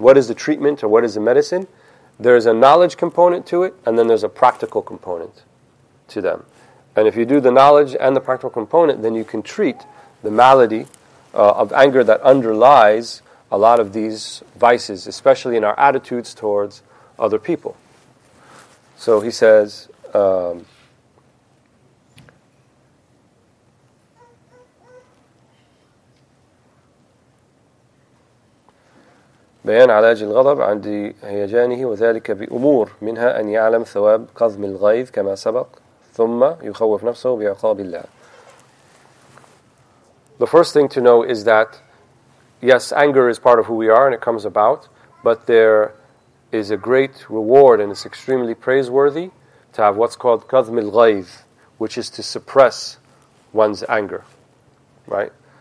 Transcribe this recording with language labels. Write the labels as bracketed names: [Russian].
[English] What is the treatment or what is the medicine? There is a knowledge component to it, and then there's a practical component to them. And if you do the knowledge and the practical component, then you can treat the malady of anger that underlies a lot of these vices, especially in our attitudes towards other people. So he says, [Arabic] بيان علاج الغضب عند هيجانه وذلك بأمور منها أن يعلم ثواب كظم الغيظ كما سبق ثم يخوف نفسه بعقاب الله. [English] The first thing to know is that yes, anger is part of who we are and it comes about, but there is a great reward and it's extremely praiseworthy to have what's called kadhm al-ghayz, which is to suppress one's anger, right?